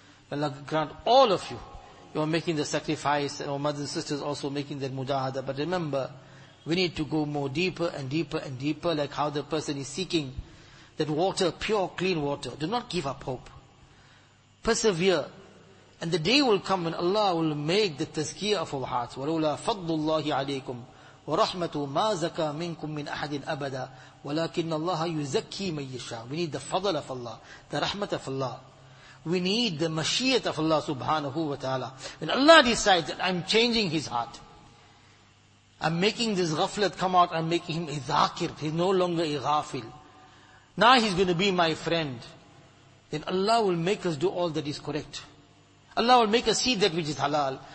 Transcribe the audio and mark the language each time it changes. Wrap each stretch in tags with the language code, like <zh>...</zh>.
<en>May Allah grant all of you, you are making the sacrifice, and our mothers and sisters also making that mujahada. But remember, we need to go more deeper and deeper and deeper, like how the person is seeking that water, pure, clean water. Do not give up hope. Persevere. And the day will come when Allah will make the tazkiyah of our hearts.</en> <ar>وَلَوْلَا فَضْلُ اللَّهِ عَلَيْكُمْ وَرَحْمَةُ مَا زَكَى مِنْكُمْ مِنْ أَحَدٍ أَبَدًا وَلَكِنَّ اللَّهَ يُزَكِّي مَنْ يَشَاءُ</ar> <en>We need the fadl of Allah, the rahmat of Allah. We need the mashiyat of Allah subhanahu wa ta'ala. When Allah decides that I'm changing his heart, I'm making this ghaflat come out, I'm making him a zakir, he's no longer a ghafil. Now he's going to be my friend. then Allah will make us do all that is correct. Allah will make us see that which is halal.</en>